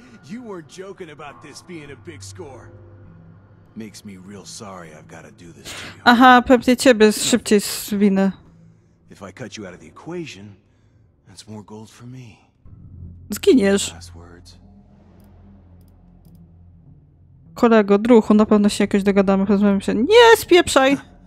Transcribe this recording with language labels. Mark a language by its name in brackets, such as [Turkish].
[English] You weren't joking about this being a big score. Makes me real sorry I've got to do this to you. [Polish] Aha, pewnie ciebie szybciej zwinę. [English] If I cut you out of the equation, that's more gold for me. [Polish] Zginiesz. Kolego, druhu, na pewno się jakoś dogadamy, rozumiem się. Nie, spieprzaj!